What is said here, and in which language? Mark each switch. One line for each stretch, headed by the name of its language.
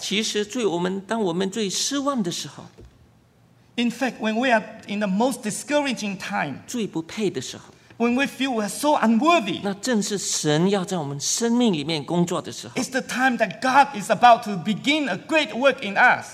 Chinese: 其实最我们当我们最失望的时候，
English: In fact, when we are in the most discouraging time,
Chinese: 最不配的时候，
English: When we feel we are so unworthy,
Chinese: 那正是神要在我们生命里面工作的时候。
English: It's the time that God is about to begin a great work in us.